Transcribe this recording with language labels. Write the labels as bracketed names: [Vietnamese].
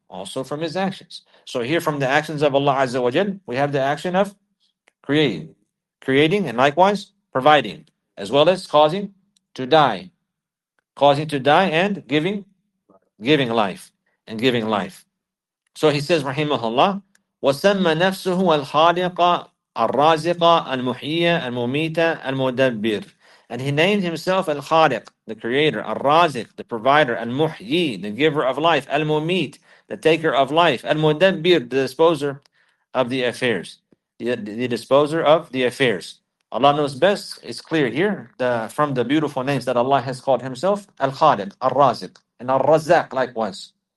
[English] Also from His actions. So here from the actions of Allah Azza wa Jal, we have the action of creating, and likewise providing, as well as causing to die and giving life, and giving life. [Arabic] So He says, Rahimahullah, وَسَمَّ نَفْسُهُ الْخَالِقَ الرازق المحيي المميت المدبر. [English] And He named Himself Al-Khaliq, the Creator, Al-Razik, the Provider, Al-Muhyi, the Giver of Life, Al-Mumit, the Taker of Life, Al-Mudabbir, the Disposer of the Affairs. The Disposer of the Affairs. Allah knows best. It's clear here from the beautiful names that Allah has called Himself, Al-Khaliq, Al-Razik, and Al-Razak likewise.